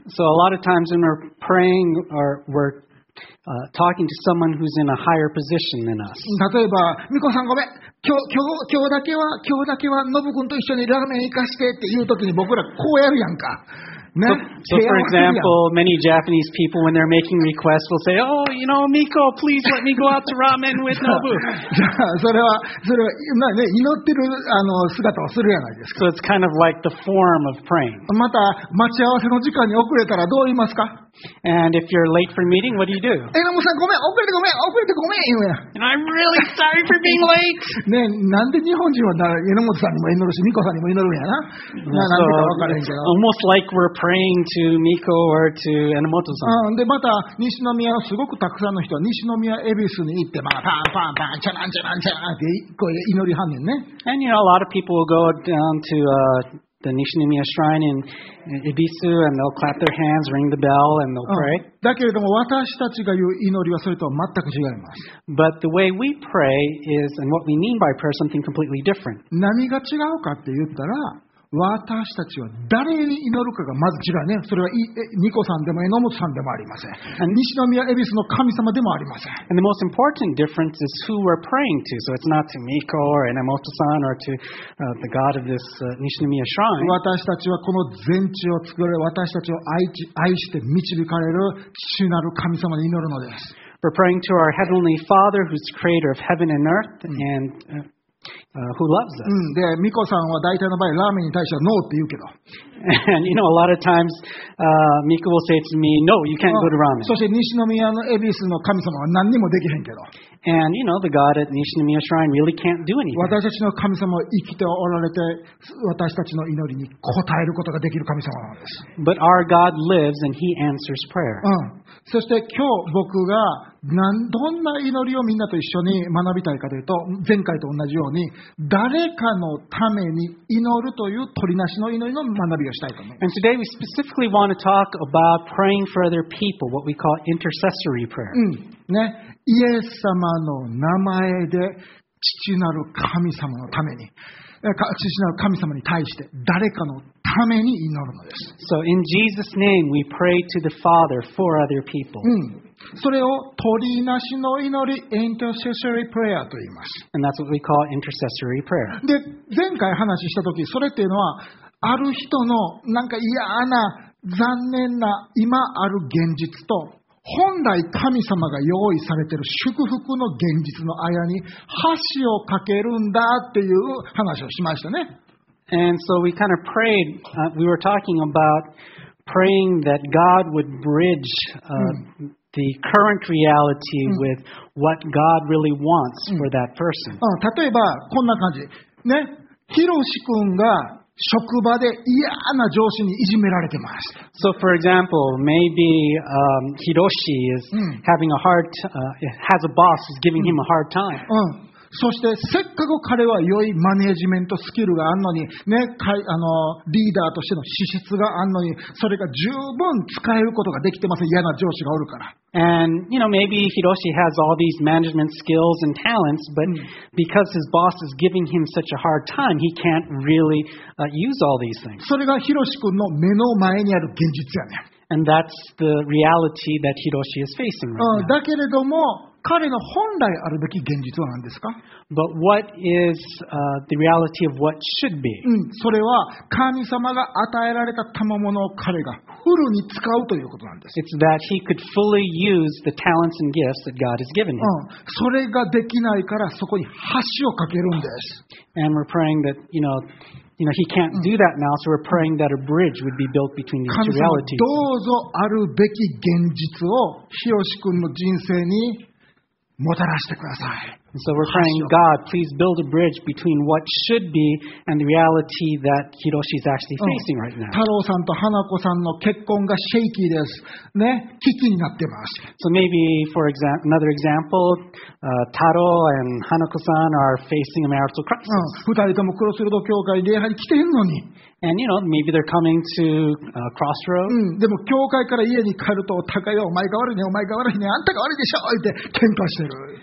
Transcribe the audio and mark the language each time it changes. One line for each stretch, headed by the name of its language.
English: So a lot of times when we're praying or we're talking to someone who's in a higher position than us.
Japanese: 例えば、みこさんごめん。今日だけはノブ君と一緒にラーメン行かしてっていう時に僕らこうやるやんか。ね。
English: So, for example, many Japanese people when they're making requests will say, "Oh, you know, Miko, please let me go out to ramen with Nobu."
Japanese: それは、まあね、祈ってる姿をするじゃないですか。
English: So it's kind of like the form of praying.
Japanese: また待ち合わせの時間に遅れたらどう言いますか？
English: And if you're late for a meeting, what do you do?
Japanese: エノムさん、ごめん、遅れてごめん、遅れてごめん、言うやん。
English: And I'm really sorry for being late.
Japanese: ね、なんで日本人はエノムさんにも祈るし、ミコさんにも祈るんやな。なんでか分からへんけど。
English: Almost like we're praying to Miko or to Enomoto-san.
Japanese: で、また西宮はすごくたくさんの人、西宮恵比寿に行って、まあ、パンパンパン、チャランチャランチャランって、こう祈りはんねんね。
English: And you know, a lot of people will go down to, the Nishinomiya Shrine in Ebisu, and they'll clap their hands, ring the bell, and they'll pray.
Japanese: だけれども私たちが言う祈りはそれとは全く違います。
English: But the way we pray is, and what we mean by prayer, something completely different.
Japanese: 何が違うかって言ったら、私たちは誰に祈るかがまず違うね。それはニコさんでもエノモトさんでもありません。And、西宮恵比寿の神様でもありません。
English: And the most important difference is who we're praying to. So it's not to Miko or Enomoto-san or to、the god of this、Nishinomiya shrine.
Japanese: 私たちはこの全地を作る、私たちを 愛して導かれる主なる神様に祈るのです。
English: We're praying to our heavenly father who's creator of heaven and earth and、who loves us.
Japanese: で、ミコさんは大体の場合ラーメンに対してはノーって言うけど。
English: And you know, a lot of times, Miko will say to me, "No, you can't go to ramen."
Japanese: そして西宮の恵比寿の神様は何にもできへんけど。
English: And you know, the God at Nishinomiya Shrine really can't do anything.
Japanese: 私たちの神様は生きておられて、私たちの祈りに応えることができる神様なんです。
English: But our God lives, and He answers prayer.
Japanese: そして今日僕がどんな祈りをみんなと一緒に学びたいかというと、前回と同じように誰かのために祈るという取りなしの祈りの学びをしたいと思います。
English: And today we specifically want to talk about praying for other people, what we call intercessory prayer.
Japanese: ね、イエス様の名前で父なる神様のために。父なる神様に対して誰かのために祈るのです。
English: So in Jesus' name, we pray to the Father for other people.
Japanese: それを取りなしの祈り、
English: intercessory prayer
Japanese: と言います。
English: And that's what we call intercessory prayer.
Japanese: で、前回話したとき、それっていうのは、ある人のなんか嫌な、残念な今ある現実と、本来神様が用意されている祝福の現実の間に橋を架けるんだっていう話をしましたね。
English: And so we kind of prayed, we were talking about praying that God would bridge, the current reality with what God really wants for that person.
Japanese: 例えばこんな感じ。ね、ヒロシ君が職場で嫌な上司にいじめられてます。
English: So for example, maybe, Hiroshi is having a hard, has a boss who's giving him a hard time.
Japanese: そしてせっかく彼は良いマネジメントスキルがあるのに、ね、リーダーとしての資質があるのに、それが十分使えることができてません。嫌な上司がおるから。
English: And, you know, maybe Hiroshi has all these management skills and talents, but because his boss is giving him such a hard time, he can't really, use all these things.
Japanese: それがヒロシ君の目の前にある現実やね。
English: And that's the reality that Hiroshi is facing right now.
Japanese: だけれども、彼の本来あるべき現実は何ですか？
English: But what is, the reality of what should be?
Japanese: それは神様が与えられた賜物を彼がフルに使うということなんです。
English: It's that he could fully use the talents and gifts that God has given him.
Japanese: それができないからそこに橋をかけるんです。
English: And we're praying that, you know,You know, he can't do that now, so we're praying that a bridge would be built between these two realities.
Japanese: 神様、どうぞあるべき現実をヒロシ君の人生にもたらしてください。
English: So we're praying, God, please build a bridge between what should be and the reality that Hiroshi is actually facing right now.
Japanese: 太郎さんと花子さんの結婚がシェイキーです。ね、危機になってます。
English: So maybe for another example, Taro and Hanako-san are facing a marital crisis.
Japanese: 二人ともクロスロード教会礼拝に来てんのに。
English: And you know, maybe they're coming to crossroads.
Japanese: でも教会から家に帰るとお互いはお前が悪いね、お前が悪いね、あんたが悪いでしょって喧嘩してる。